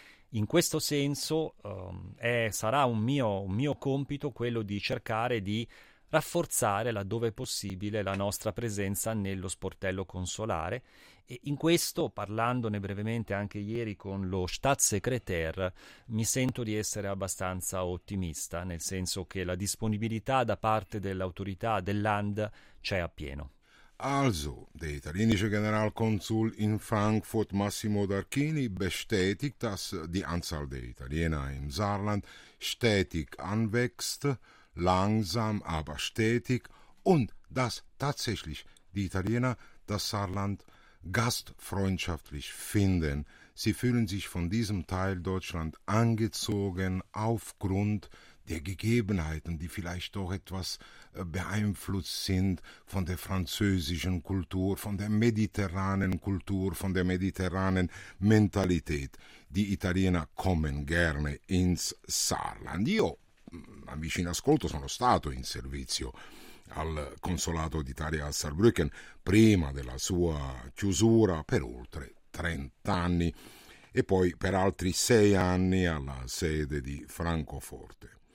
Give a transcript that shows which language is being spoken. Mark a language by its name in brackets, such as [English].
[Italian] In questo senso sarà un mio compito quello di cercare di rafforzare laddove è possibile la nostra presenza nello sportello consolare, e in questo, parlandone brevemente anche ieri con lo Staatssekretär, mi sento di essere abbastanza ottimista, nel senso che la disponibilità da parte dell'autorità del Land c'è appieno. [German] Also, der italienische Generalkonsul in Frankfurt, Massimo Darchini, bestätigt, dass die Anzahl der Italiener im Saarland stetig anwächst, langsam, aber stetig, und dass tatsächlich die Italiener das Saarland gastfreundschaftlich finden. Sie fühlen sich von diesem Teil Deutschland angezogen aufgrund der Gegebenheiten, die vielleicht doch etwas beeinflusst sind von der französischen Kultur, von der mediterranen Kultur, von der mediterranen Mentalität. Die Italiener kommen gerne ins Saarland. [Italian] Io, a vicino ascolto, sono stato in servizio al Consolato d'Italia a Saarbrücken prima della sua chiusura per oltre 30 anni e poi per altri 6 anni alla sede di Francoforte.